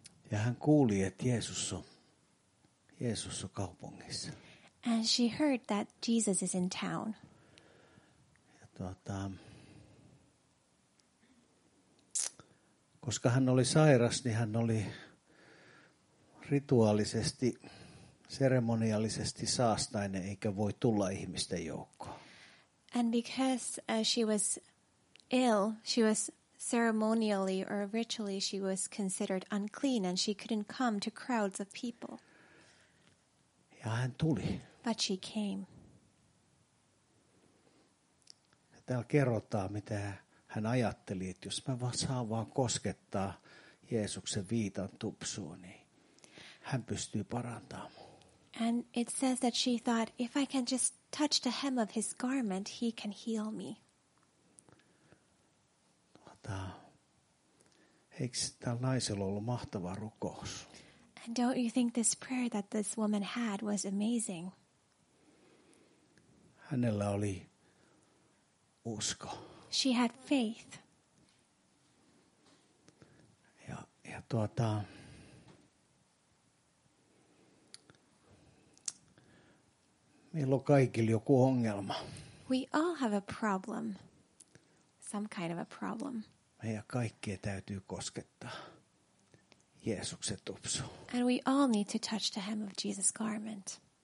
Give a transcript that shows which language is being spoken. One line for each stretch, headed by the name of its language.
Finnish: Ja hän kuuli, että Jeesus on kaupungissa.
English: And she heard that Jesus is in town.
Finnish: Ja koska hän oli sairas, niin hän oli rituaalisesti, seremoniallisesti saastainen, eikä voi tulla ihmisten joukkoon.
English: And because she was ill, she was ceremonially or ritually, she was considered unclean and she couldn't come to crowds of people.
Finnish: Ja hän tuli.
English: But she came.
Finnish: Täällä kerrotaan, mitä hän ajatteli, että jos mä saan vaan koskettaa Jeesuksen viitan tupsua, niin hän pystyy parantamaan mun.
English: And it says that she thought, if I can just touch the hem of his garment, he can heal me.
Finnish: Eikö tällä naisella ollut mahtava rukous?
English: And don't you think this prayer that this woman had was amazing?
Finnish: Hänellä oli usko.
English: She had faith.
Finnish: Ja meillä on kaikilla joku ongelma.
English: We all have a problem. Some kind of a problem.
Finnish: Meidän kaikkia täytyy koskettaa Jeesuksen tupsu.
English: And we all need to touch the hem of Jesus' garment.